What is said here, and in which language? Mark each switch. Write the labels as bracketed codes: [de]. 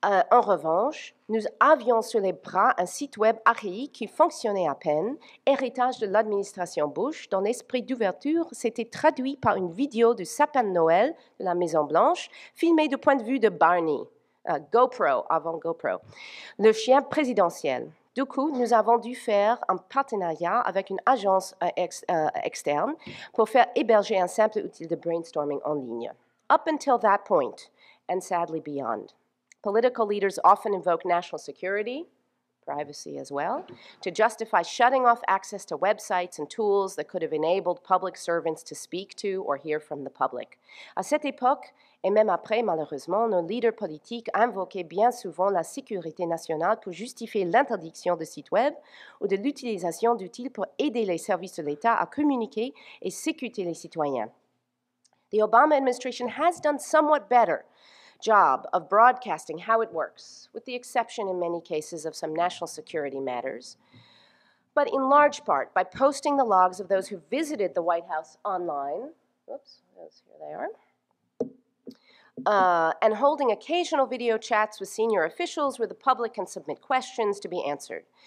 [fr] En revanche, nous avions sur les bras un site web archaïque qui fonctionnait à peine, héritage de l'administration Bush, dont l'esprit d'ouverture s'était traduit par une vidéo du sapin de Noël de la Maison Blanche, filmée du point de vue de Barney, GoPro, avant GoPro, le chien présidentiel. Du coup, nous avons dû faire un partenariat avec une agence externe pour faire héberger un simple outil de brainstorming en ligne. [en] Up until that point, and sadly beyond. Political leaders often invoke national security, privacy as well, to justify shutting off access to websites and tools that could have enabled public servants to speak to or hear from the public. [fr] À cette époque, et même après, malheureusement, nos leaders politiques invoquaient bien souvent la sécurité nationale pour justifier l'interdiction de sites web ou de l'utilisation d'outils pour aider les services de l'État à communiquer et sécuriser les citoyens. [en] The Obama administration has done somewhat better job of broadcasting how it works, with the exception in many cases of some national security matters, but in large part by posting the logs of those who visited the White House online, oops, here they are, and holding occasional video chats with senior officials where the public can submit questions to be answered.